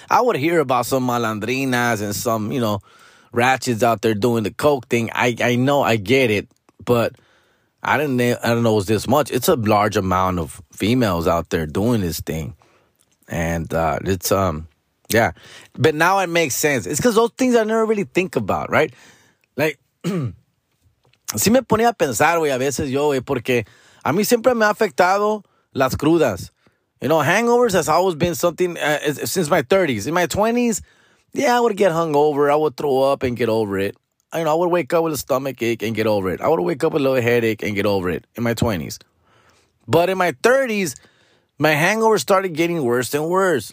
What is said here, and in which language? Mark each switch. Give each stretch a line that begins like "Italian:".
English: I would hear about some malandrinas and some, you know, ratchets out there doing the coke thing. I know, I get it, but I don't know it was this much. It's a large amount of females out there doing this thing. And yeah. But now it makes sense. It's because those things I never really think about, right?
Spanish: Like, si me ponía a pensar, güey, a veces yo, güey, porque a mí siempre me ha afectado las crudas.
English: You know, hangovers has always been something since my 30s. In my 20s, yeah, I would get hungover. I would throw up and get over it. You know, I would wake up with a stomach ache and get over it. I would wake up with a little headache and get over it in my 20s. But in my 30s, my hangover started getting worse and worse.